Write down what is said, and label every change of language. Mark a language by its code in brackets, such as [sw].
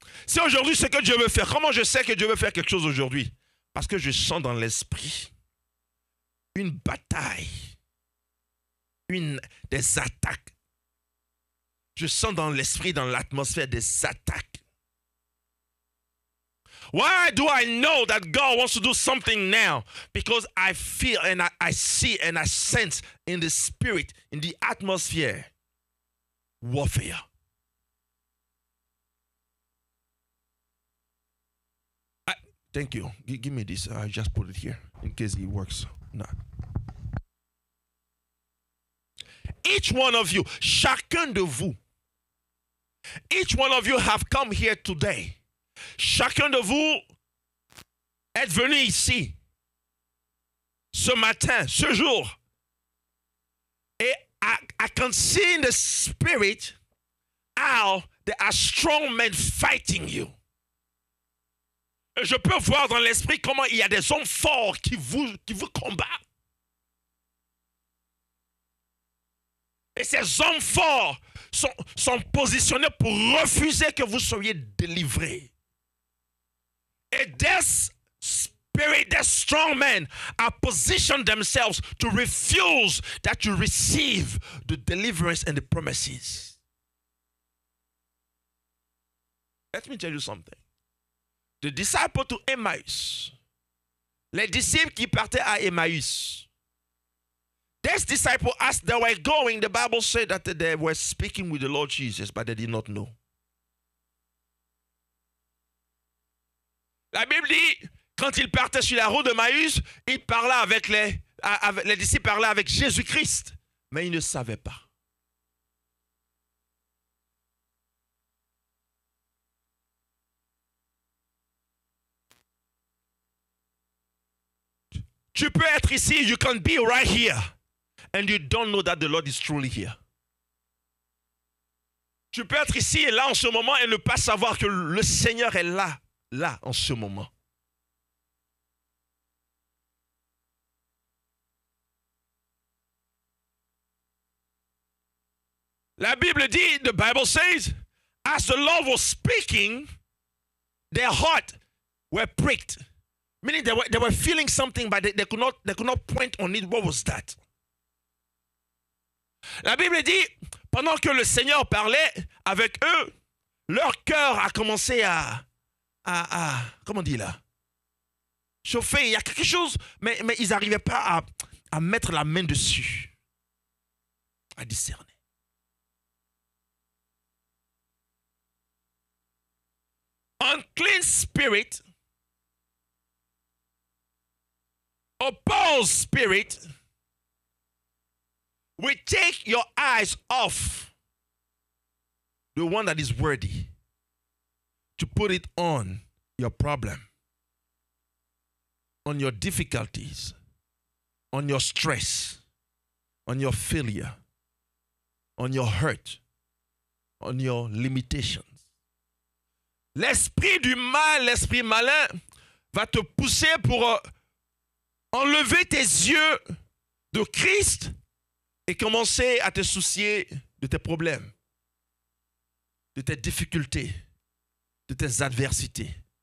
[fr] Si aujourd'hui ce que Dieu veut faire, comment je sais que Dieu veut faire quelque chose aujourd'hui? Parce que je sens dans l'esprit une bataille, des attaques. Je sens dans l'esprit, dans l'atmosphère des attaques. [en] Why do I know that God wants to do something now? Because I feel and I see and I sense in the spirit, in the atmosphere, warfare. Thank you. Give me this. I just put it here in case it works. No. Each one of you, [fr] chacun de vous, [en] each one of you have come here today. [fr] Chacun de vous est venu ici ce matin, ce jour. Et [en] I can see in the spirit how there are strong men fighting you. [fr] Et je peux voir dans l'esprit comment il y a des hommes forts qui vous combattent. Et ces hommes forts sont positionnés pour refuser que vous soyez délivrés. [en] And this spirit, this strong man, are positioned themselves to refuse that you receive the deliverance and the promises. Let me tell you something. The disciples to Emmaus, [fr] les disciples qui partaient à Emmaus, [en] this disciple as they were going, the Bible said that they were speaking with the Lord Jesus, but they did not know. [fr] La Bible dit, quand il partait sur la route de Maïs, il parla avec les disciples parlaient avec Jésus-Christ, mais ils ne savaient pas. Tu peux être ici, [en] you can be right here, and you don't know that the Lord is truly here. [fr] Tu peux être ici et là en ce moment et ne pas savoir que le Seigneur est là. Là, en ce moment. La Bible dit, [en] the Bible says, as the Lord was speaking, their heart were pricked. Meaning they were feeling something, but they could not point on it. What was that? [fr] La Bible dit, pendant que le Seigneur parlait avec eux, leur cœur a commencé à... comment dire là? Chauffé, il y a quelque chose, mais ils n'arrivaient pas à mettre la main dessus, à discerner. [en] Unclean spirit, opposed spirit, will take your eyes off the one that is worthy to put it on. Your problem, on your difficulties, on your stress, on your failure, on your hurt, on your limitations. [fr] L'esprit du mal, l'esprit malin, va te pousser pour enlever tes yeux de Christ et commencer à te soucier de tes problèmes, de tes difficultés, de tes adversités.